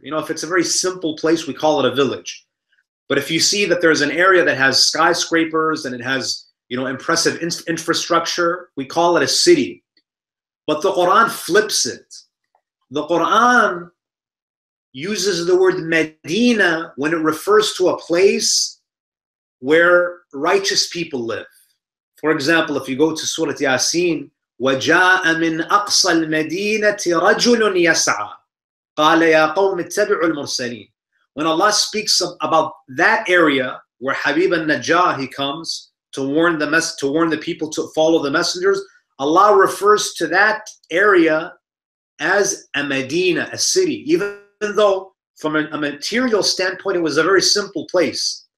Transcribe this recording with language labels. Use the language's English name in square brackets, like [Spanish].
[English] You know, if it's a very simple place, we call it a village. But if you see that there's an area that has skyscrapers and it has, you know, impressive infrastructure, we call it a city. But the Quran flips it. The Quran uses the word Medina when it refers to a place where righteous people live. For example, if you go to Surah Yasin, [Arabic] وَجَاءَ مِنْ أَقْصَى الْمَدِينَةِ رَجُلٌ يَسْعَى قَالَ يَا قَوْمِ اتَّبِعُوا الْمُرْسَلِينَ. [English] When Allah speaks about that area where Habib al-Najjar, he comes to warn the people to follow the messengers, Allah refers to that area as a Medina, a city, even though from a material standpoint, it was a very simple place.